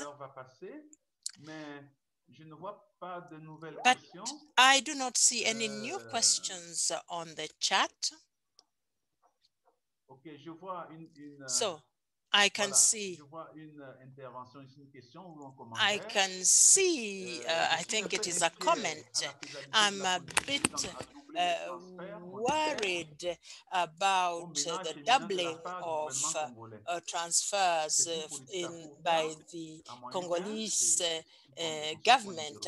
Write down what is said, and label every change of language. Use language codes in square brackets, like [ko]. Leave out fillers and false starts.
[fr] L'heure va passer, mais je ne vois pas de nouvelles [en] but questions. I do not see any new questions on the chat. [fr] Okay, je vois une [en] so I can [fr] voilà, [en] see. [fr] Je vois une intervention, une question ou un [en] commentaire. I can see. I think it is a comment. I'm a bit worried about the doubling of transfers by the Congolese government.